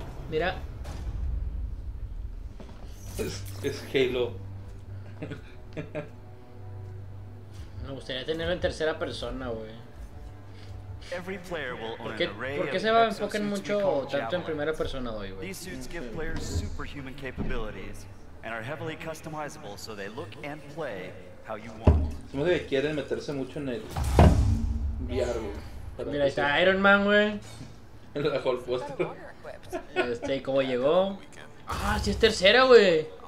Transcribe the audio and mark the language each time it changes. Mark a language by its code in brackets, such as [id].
[es] Mira. Es Halo. Me gustaría tenerlo en tercera persona, güey. [en] Every player will own an array of exosuits. [es] ¿Por qué se enfocan mucho tanto en primera persona hoy, güey? [en] These suits give players superhuman capabilities and are heavily customizable, so they look and play how you want. [es] Como que quieren meterse mucho en el VR, güey. Mira, ahí está Iron Man, güey. En la Hulk poster. Este, ¿cómo llegó? Ah, sí, es tercera, güey.